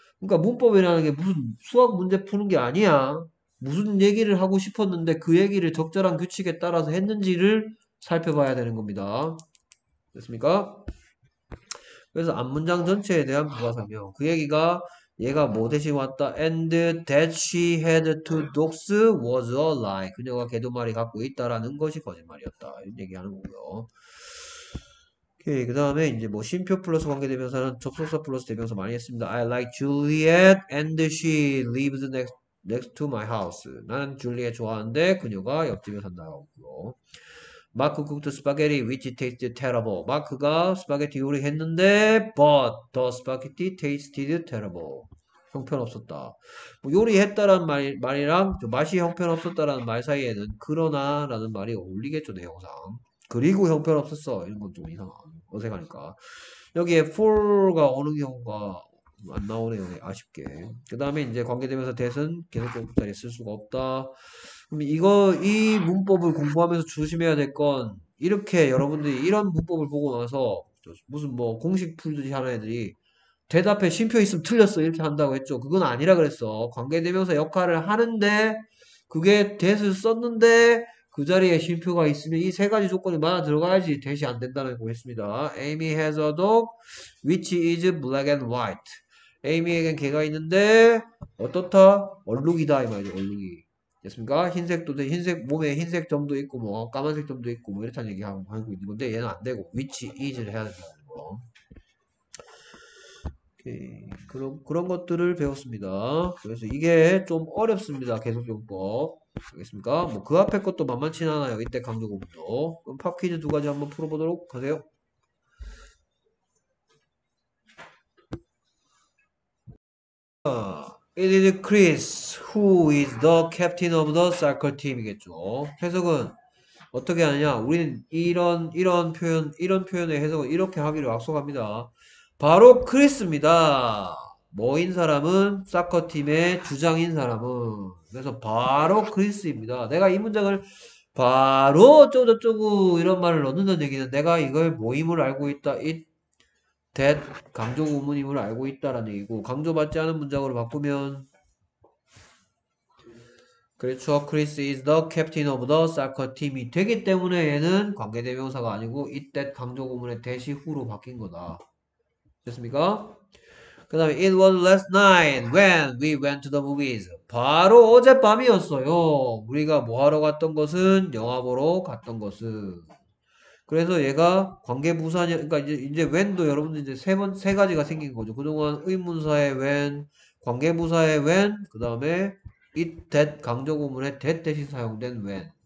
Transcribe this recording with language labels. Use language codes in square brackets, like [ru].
[ko] 그러니까 문법이라는 게 무슨 수학 문제 푸는 게 아니야. 무슨 얘기를 하고 싶었는데 그 얘기를 적절한 규칙에 따라서 했는지를 살펴봐야 되는 겁니다. 됐습니까? 그래서 앞 문장 전체에 대한 부가설명. 그 얘기가 얘가 뭐 대신 왔다? [en] And that she had two dogs was a lie. [ko] 그녀가 개두 마리 갖고 있다라는 것이 거짓말이었다. 이런 얘기하는 거고요. 오케이. 그 다음에 이제 뭐 쉼표 플러스 관계대명사는 접속사 플러스 대명사 많이 했습니다. [en] I like Juliet and she lives next to my house. [ko] 나는 줄리엣 좋아하는데 그녀가 옆집에 산다고. [en] 마크 cooked spaghetti which tasted terrible. 마크가 스파게티 요리했는데 but the spaghetti tasted terrible. 형편없었다. [ko] 뭐 요리했다라는 말이랑 맛이 형편없었다라는 말 사이에는 그러나라는 말이 어울리겠죠, 내용상. 그리고 형편없었어. 이런 건좀 이상한 어색하니까. 여기에 for가 어느 경우가 안 나오네요. 아쉽게. 그 다음에 이제 관계되면서 that은 계속적으로 붙어 있을 수가 없다. 그럼 이거 이 문법을 공부하면서 조심해야 될건 이렇게 여러분들이 이런 문법을 보고 나서 무슨 뭐 공식 풀듯이 하는 애들이 대답에 쉼표 있으면 틀렸어 이렇게 한다고 했죠. 그건 아니라 그랬어. 관계되면서 역할을 하는데 그게 that을 썼는데 그 자리에 쉼표가 있으면 이세 가지 조건이 맞아 들어가야지 that이 안 된다는 거 했습니다. [en] Amy has a dog which is black and white. [ko] 에이미에겐 개가 있는데 어떻다? 얼룩이다 이 말이죠. 얼룩이 됐습니까? 흰색도 돼. 흰색 몸에 흰색 점도 있고 뭐 까만색 점도 있고 뭐 이렇다는 얘기하고 있는 건데 얘는 안 되고 위치 이즈를 해야 된다는 거. 오케이. 그런 것들을 배웠습니다. 그래서 이게 좀 어렵습니다. 계속용법 알겠습니까? 뭐그 앞에 것도 만만치 않아요. 이때 강조 부분도. 그럼 팝 퀴즈 두 가지 한번 풀어보도록 하세요. [en] It is Chris who is the captain of the soccer team 이겠죠. [ko] 해석은 어떻게 하느냐? 우리는 이런 표현의 해석을 이렇게 하기로 약속합니다. 바로 크리스입니다. 뭐인 사람은? 사커팀의 주장인 사람은. 그래서 바로 크리스입니다. 내가 이 문장을 바로 어쩌고저쩌고 이런 말을 넣는다는 얘기는 내가 이걸 모임을 알고 있다. That 강조 구문임을 알고 있다라는 얘기고 강조받지 않은 문장으로 바꾸면 그렇죠. Chris is the captain of the soccer team 이 되기 때문에 얘는 관계대명사가 아니고 it that 강조 구문의 대시 후로 바뀐 거다. 됐습니까? [en] 그 다음에 It was last night when we went to the movies. [ko] 바로 어젯밤이었어요. 우리가 뭐 하러 갔던 것은 영화 보러 갔던 것은 그래서 얘가 관계부사냐, 그러니까 이제 when도 여러분들 이제 세 가지가 생긴 거죠. 그동안 의문사의 when, 관계부사의 when, 그 다음에 it, that, 강조구문의 that 대신 사용된 when.